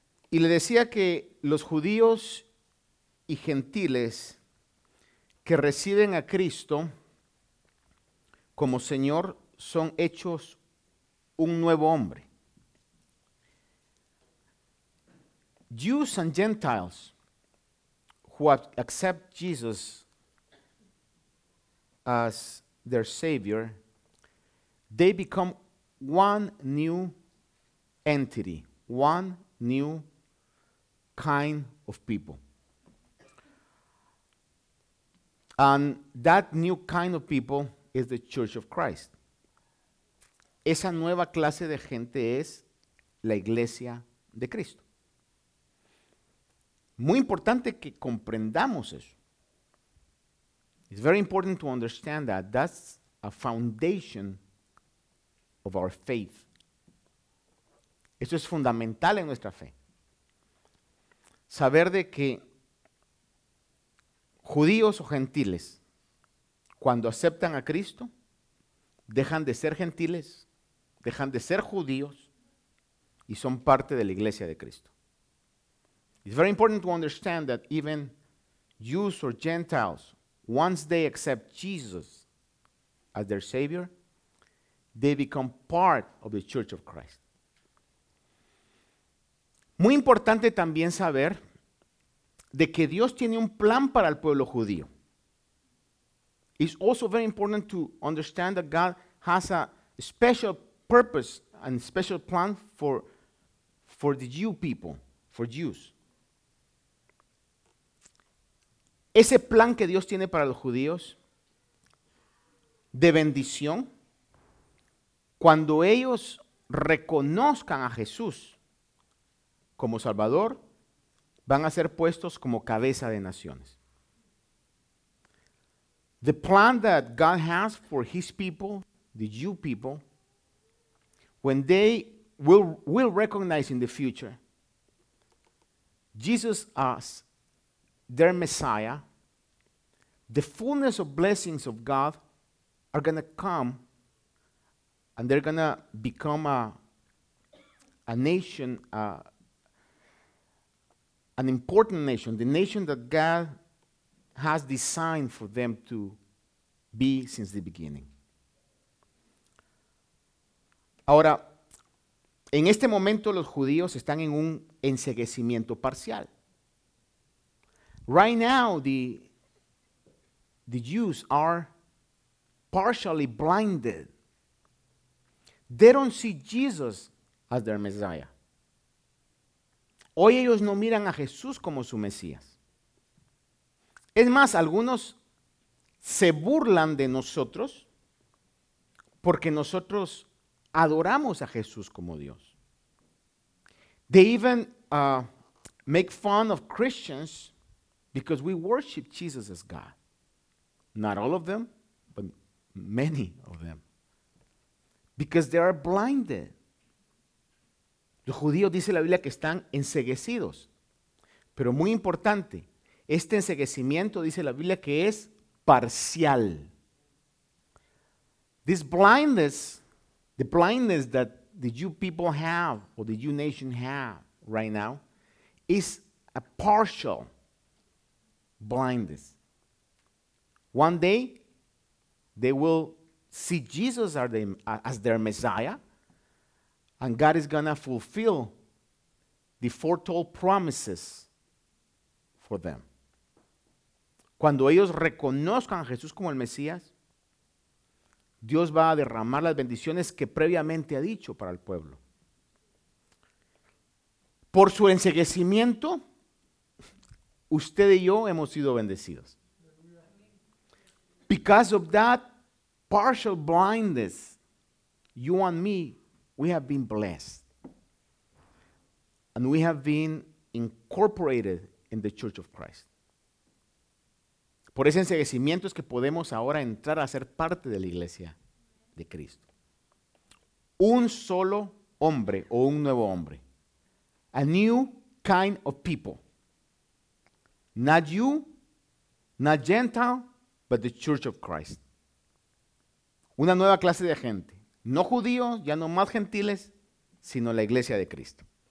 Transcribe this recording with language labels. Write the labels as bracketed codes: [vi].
[es] Y le decía que los judíos y gentiles que reciben a Cristo como Señor, son hechos un nuevo hombre. [en] Jews and Gentiles who accept Jesus as their Savior, they become one new entity, one new kind of people. And that new kind of people is the Church of Christ. [es] Esa nueva clase de gente es la Iglesia de Cristo. Muy importante que comprendamos eso. [en] It's very important to understand that that's a foundation of our faith. [es] Eso es fundamental en nuestra fe. Saber de que judíos o gentiles, cuando aceptan a Cristo, dejan de ser gentiles, dejan de ser judíos y son parte de la Iglesia de Cristo. [en] It's very important to understand that even Jews or Gentiles, once they accept Jesus as their Savior, they become part of the Church of Christ. [es] Muy importante también saber de que Dios tiene un plan para el pueblo judío. [en] It's also very important to understand that God has a special purpose and special plan for the Jew people, for Jews. [es] Ese plan que Dios tiene para los judíos de bendición, cuando ellos reconozcan a Jesús como Salvador, van a ser puestos como cabeza de naciones. [en] The plan that God has for his people, the Jew people, when they will recognize in the future Jesus as their Messiah, the fullness of blessings of God are going to come and they're going to become a nation, an important nation, the nation that God has designed for them to be since the beginning. [es] Ahora, en este momento los judíos están en un enceguecimiento parcial. [en] Right now, the Jews are partially blinded. They don't see Jesus as their Messiah. [es] Hoy ellos no miran a Jesús como su Mesías. Es más, algunos se burlan de nosotros porque nosotros adoramos a Jesús como Dios. [en] They even make fun of Christians because we worship Jesus as God. Not all of them, but many of them. Because they are blinded. [es] Los judíos, dice la Biblia, que están enceguecidos. Pero muy importante, este enceguecimiento, dice la Biblia, que es parcial. [en] This blindness, the blindness that the Jew people have, or the Jew nation have right now, is a partial blindness. One day, they will see Jesus as their Messiah, and God is going to fulfill the foretold promises for them. [es] Cuando ellos reconozcan a Jesús como el Mesías, Dios va a derramar las bendiciones que previamente ha dicho para el pueblo. Por su enceguecimiento, usted y yo hemos sido bendecidos. [en] Because of that partial blindness, you and me, we have been blessed. And we have been incorporated in the Church of Christ. [es] Por ese enceguecimiento es que podemos ahora entrar a ser parte de la iglesia de Cristo. Un solo hombre o un nuevo hombre. [en] A new kind of people. Not Jew, not Gentile, but the Church of Christ. [es] Una nueva clase de gente. No judíos, ya no más gentiles, sino la iglesia de Cristo.